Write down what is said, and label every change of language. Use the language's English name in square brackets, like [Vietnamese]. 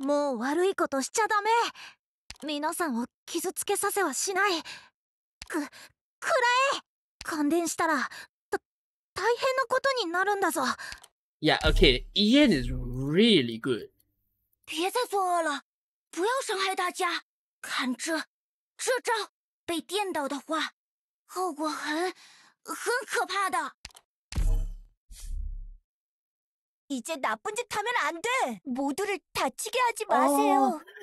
[Japanese] もう悪いことしちゃダメ。皆さんを傷つけさせはしない。く、くらえ! 感電したら、大変なことになるんだぞ。 [English] Yeah, okay, Ian is really good. [Chinese] 别再作恶了，不要伤害大家。看这，这招被电到的话，后果很可怕的。 [Korean] 이제나쁜짓하면안돼모두를다치게하지마세요